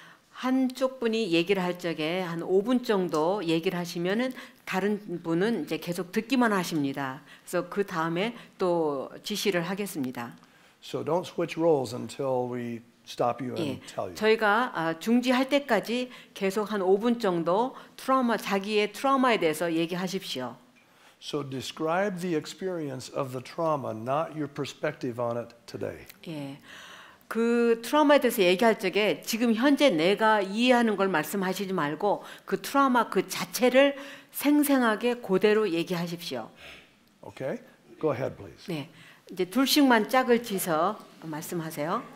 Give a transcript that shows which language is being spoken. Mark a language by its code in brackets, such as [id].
[ko] 한쪽 분이 얘기를 할 적에 한 5분 정도 얘기를 하시면은 다른 분은 이제 계속 듣기만 하십니다. 그래서 그 다음에 또 지시를 하겠습니다. [en] So don't switch roles until we stop you and tell you. [ko] 저희가 중지할 때까지 계속 한 5분 정도 트라우마 자기의 트라우마에 대해서 얘기하십시오. [en] So describe the experience of the trauma, not your perspective on it today. [ko] 예, 그 트라우마에 대해서 얘기할 적에 지금 현재 내가 이해하는 걸 말씀하시지 말고 그 트라우마 그 자체를 생생하게 그대로 얘기하십시오. [en] Okay, go ahead, please. [ko] 네, 이제 둘씩만 짝을 지서 말씀하세요.